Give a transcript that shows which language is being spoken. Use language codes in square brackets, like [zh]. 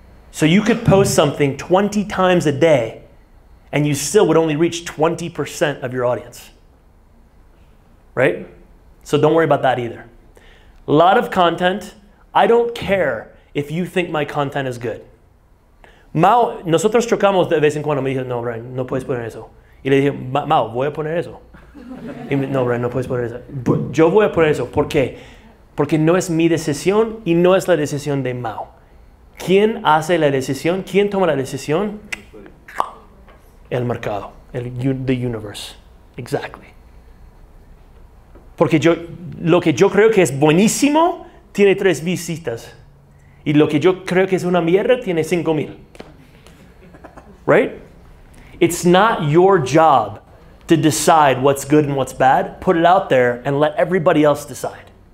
[en] So you could post something 20 times a day and you still would only reach 20% of your audience. Right? So don't worry about that either. A lot of content, I don't care if you think my content is good. [es] Mau, nosotros chocamos de vez en cuando. Me dijo, no, Brian, no puedes poner eso. Y le dije, Mau, voy a poner eso. Y me, no, Brian, no puedes poner eso. Yo voy a poner eso. ¿Por qué? Porque no es mi decisión y no es la decisión de Mau. ¿Quién hace la decisión? ¿Quién toma la decisión? El mercado. [en] The universe. Exactly. [es] Porque yo, lo que yo creo que es buenísimo tiene 3 visitas. Y lo que yo creo que es una mierda tiene 5,000. [en] Right? It's not your job to decide what's good and what's bad. Put it out there and let everybody else decide.